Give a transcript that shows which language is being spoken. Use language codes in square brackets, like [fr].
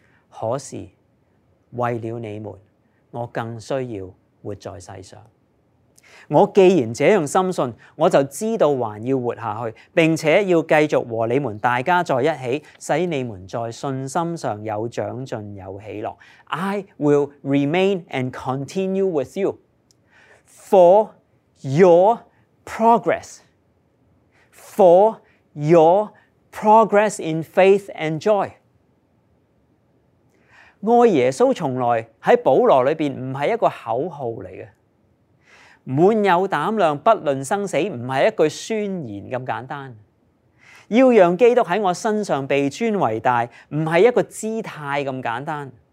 [zh] 可是，為了你們，我更需要活在世上。我既然这样深信，我就知道还要活下去，并且要继续和你们大家在一起，使你们在信心上有长进有喜乐。 [en] I will remain and continue with you for your progress, for your progress in faith and joy。 [zh] 爱耶稣从来在保罗里面不是一个口号来的，满有胆量不论生死不是一句宣言那么简单。要让基督在我身上被尊为大不是一个姿态那么简单。